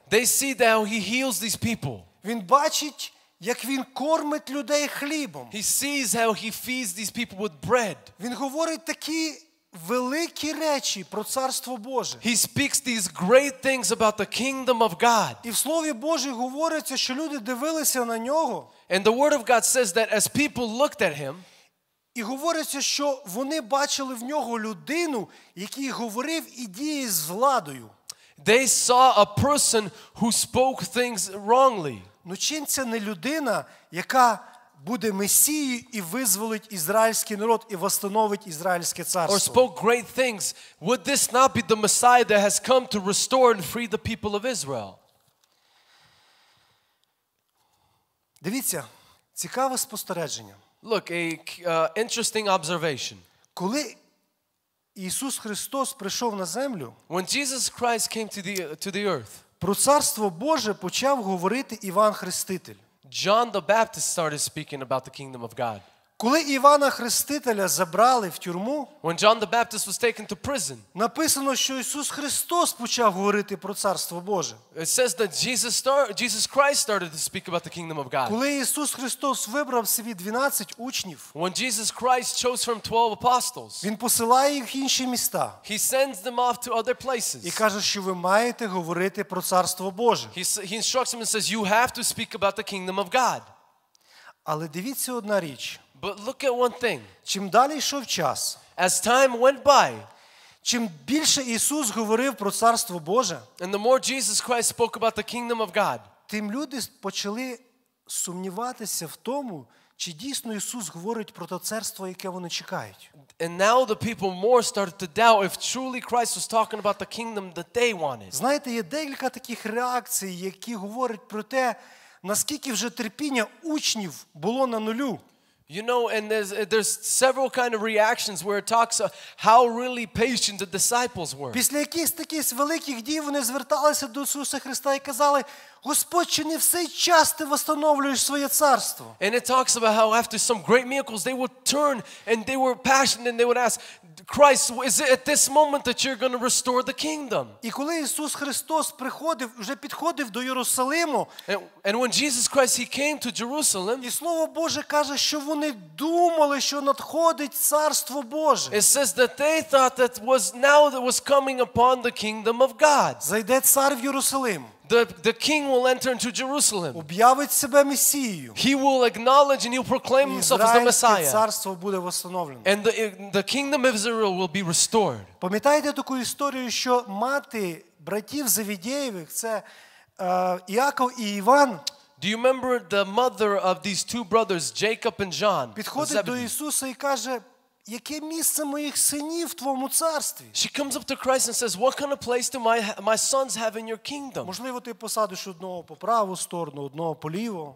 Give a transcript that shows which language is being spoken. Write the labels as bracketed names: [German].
[English] They see that how he heals these people. [Ukrainian] Він бачить, як він кормить людей хлібом. [English] He sees how he feeds these people with bread. [Ukrainian] Він говорить такі великі речі про царство Боже. [English] He speaks these great things about the kingdom of God. [Ukrainian] І в слові Божому говориться, що люди дивилися на нього. [English] And the word of God says that as people looked at him. [Ukrainian] І говориться, що вони бачили в нього людину, який говорив і діяв з владою. [English] They saw a person who spoke things wrongly. [Ukrainian] Ну чим це не людина, яка буде Месією і визволить ізраїльський народ і восстановить ізраїльське царство. [English] Or spoke great things. Would this not be the Messiah that has come to restore and free the people of Israel? [Ukrainian] Дивіться, цікаве спостереження. [English] Look, a interesting observation. [Ukrainian] Коли Ісус Христос прийшов на землю, [English] when Jesus Christ came to the earth, [Ukrainian] про царство Боже почав говорити Іван Хреститель. [English] John the Baptist started speaking about the kingdom of God. [Ukrainian] Коли Івана Хрестителя забрали в тюрму, [English] when John the Baptist was taken to prison, [Ukrainian] написано, що Ісус Христос почав говорити про царство Боже. [English] It says that Jesus Christ started to speak about the kingdom of God. [Ukrainian] Коли Ісус Христос вибрав собі 12 учнів, [English] when Jesus Christ chose from 12 apostles, [Ukrainian] він посилає їх в інші міста. [English] He sends them off to other places. [Ukrainian] І каже, що ви маєте говорити про царство Боже. [English] He instructs them and says you have to speak about the kingdom of God. [Ukrainian] Але дивіться одна річ. [English] But look at one thing. [Ukrainian] Чим далі йшов час, [English] as time went by, [Ukrainian] чим більше Ісус говорив про царство Боже, [English] and the more Jesus Christ spoke about the kingdom of God, [Ukrainian] тим люди почали сумніватися в тому, чи дійсно Ісус говорить про те царство, яке вони чекають. [English] And now the people more started to doubt if truly Christ was talking about the kingdom that they wanted. [Ukrainian] Знаєте, є декілька таких реакцій, які говорять про те, наскільки вже терпіння учнів було на нулю. [English] You know, and there's several kind of reactions where it talks about how really patient the disciples were. [Ukrainian] Після якихось таких великих дій вони зверталися до Ісуса Христа і казали: "Господь, чи не в цей час ти восстановлюєш своє царство?" [English] And it talks about how after some great miracles they would turn and they were passionate and they would ask, "Christ, is it at this moment that you're going to restore the kingdom?" [Ukrainian] І коли Ісус Христос приходив, вже підходив до Єрусалиму, [English] and when Jesus Christ he came to Jerusalem, [Ukrainian] і слово Боже каже, що вони думали, що надходить царство Боже. [English] It says that they thought that was now that was coming upon the kingdom of God. [Ukrainian] Зайде цар в Єрусалим. [English] The king will enter into Jerusalem. [Ukrainian] Об'явить себе Месією. [English] He will acknowledge and he will proclaim himself as the Messiah. [Ukrainian] Царство буде восстановлено. [English] And the kingdom of Israel will be restored. [Ukrainian] Пам'ятаєте таку історію, що мати братів Завідєєвих, це Іаков і Іван. [English] Do you remember the mother of these two brothers, Jacob and John? [Ukrainian] Підходить до Ісуса і каже: "Яке місце моїх синів в твоєму царстві?" [English] She comes up to Christ and says, "What kind of place do my sons have in your kingdom?" [Ukrainian] Можливо, ти посадиш одного по праву сторону, одного по ліву.